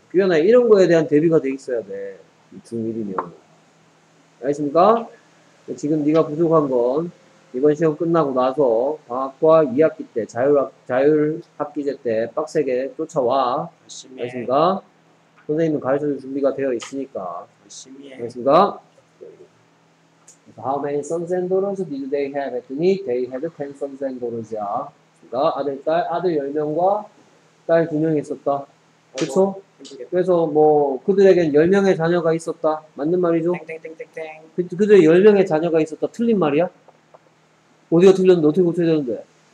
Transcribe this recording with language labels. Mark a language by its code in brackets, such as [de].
[ko] 규현아, 이런 거에 대한 대비가 돼 있어야 돼. 중1이면. 알겠습니까? 지금 네가 부족한 건 이번 시험 끝나고 나서 방학과 2학기 때 자율학기제 때 빡세게 쫓아와. 열심히 알겠습니까? 선생님은 가르쳐줄 준비가 되어 있으니까. 열심히 해. 알겠습니까? [en] How many sons and daughters did they have? [ko] 했더니 [en] they had 10 sons and daughters야. [ko] 그러니까 아들 10명과 딸 2명이 있었다. 그쵸? 그래서 뭐 그들에겐 10명의 자녀가 있었다. 맞는 말이죠? 땡땡땡땡땡. 그들 10명의 자녀가 있었다. 틀린 말이야? 어디가 틀렸는데 어떻게 고쳐야 되는데?